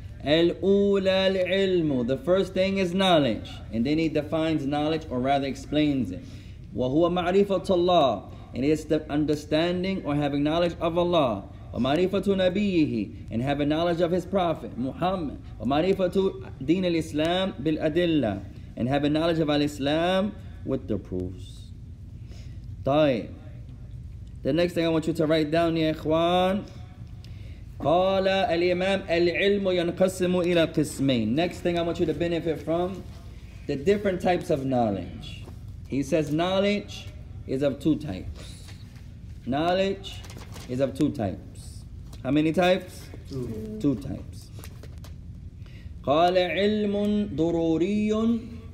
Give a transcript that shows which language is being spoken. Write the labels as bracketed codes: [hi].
[ar] الأولى العلم. [en] The first thing is knowledge. And then he defines knowledge, or rather explains it. [ar] وهو معرفة الله. [en] And it's the understanding or having knowledge of Allah. [ar] ومعرفة نبيه. [en] And having knowledge of his prophet, Muhammad. [ar] ومعرفة دين الإسلام بالأدلة. [en] And having knowledge of Al-Islam with the proofs. [ar] طيب. [en] The next thing I want you to write down, يا إخوان. [ar] قال الإمام العلم ينقسم إلى قسمين. [en] Next thing I want you to benefit from, the different types of knowledge. He says knowledge is of two types. Knowledge is of two types. How many types? Two. Two types. [ar] قال علم ضروري.